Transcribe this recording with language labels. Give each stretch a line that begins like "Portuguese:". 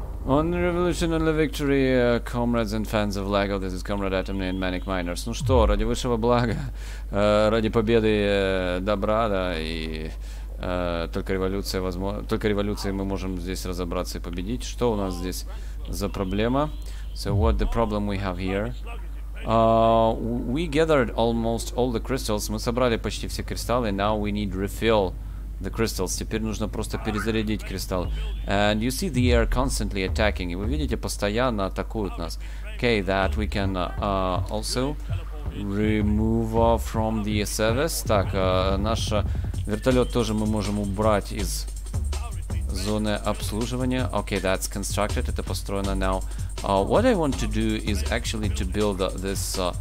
English: On the revolution and the victory, comrades and fans of LEGO, this is Comrade Atomy and Manic Miners.
Russian: Ну что, ради высшего блага, ради победы добра, да, и только революция возможно, только революцией мы можем здесь разобраться и победить. Что у нас здесь за проблема?
English: So what the problem we have here? We gathered almost all the crystals.
Russian: Мы собрали почти все кристаллы.
English: Now we need refill. The crystals.
Russian: Теперь нужно просто перезарядить кристалл.
English: And you see they are constantly attacking.
Russian: И вы видите, постоянно атакуют нас.
English: Okay, that we can also remove from the service.
Russian: Так, наш вертолет тоже мы можем убрать из зоны обслуживания.
English: Okay, that's constructed.
Russian: Это построено
English: now. What I want to do is actually to build this...